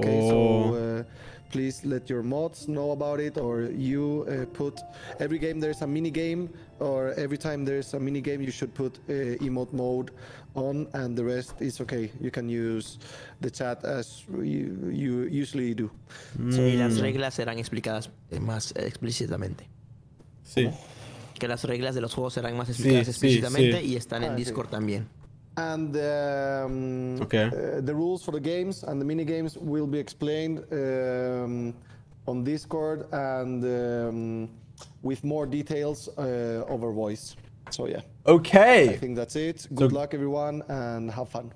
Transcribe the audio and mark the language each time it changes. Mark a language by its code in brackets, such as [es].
[en] Okay, please let your mods know about it, or you put every game there's a mini game, or every time there's a mini game, you should put emote mode on, and the rest is okay. You can use the chat as you usually do. [es] Sí, y las reglas serán explicadas más explícitamente. Sí. Que las reglas de los juegos serán más explicadas explícitamente y están en Discord también. [en] And the rules for the games and the mini games will be explained on Discord and with more details over voice. So yeah. Okay. I think that's it. Good luck, everyone, and have fun.